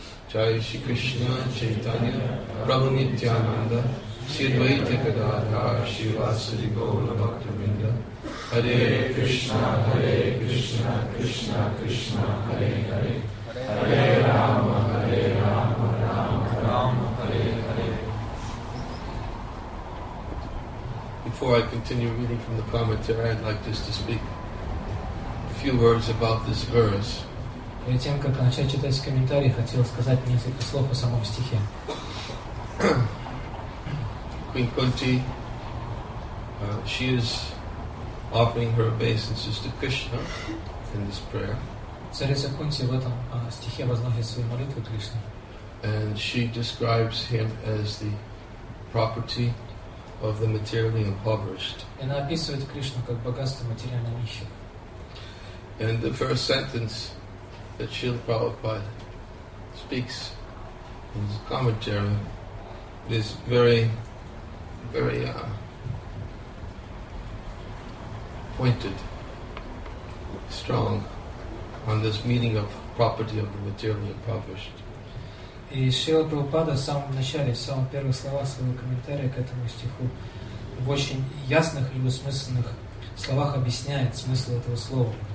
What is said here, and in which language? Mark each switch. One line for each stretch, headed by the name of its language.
Sanskrit: Jai Shri Krishna Chaitanya Prabhu Nityananda Shri Advaita Gadadhara Shri Vasudeva Gaura Bhaktavinoda Hare Krishna Krishna Krishna Hare Hare Hare Rama Hare Rama Rama Rama Hare Hare.
English: Before I continue reading from the commentary, I'd like just to speak few words about this verse.
Russian: Перед тем, как начать читать комментарий, хотел сказать несколько слов о самом стихе.
English: Queen Kunti, she is offering her obeisances to Krishna in this prayer.
Russian: Царица Кунти в этом стихе возносит свои молитвы Кришне.
English: And she describes him as the property of the materially impoverished.
Russian: И она описывает Кришну как богатство материально нищих.
English: And the first sentence that Srila Prabhupada speaks in his commentary is very, very pointed, strong on this meaning of property of the materially impoverished.
Russian: И Шрила Прабхупада в самом начале, в самых первых словах своего комментария к этому стиху в очень ясных и двусмысленных словах объясняет смысл этого слова.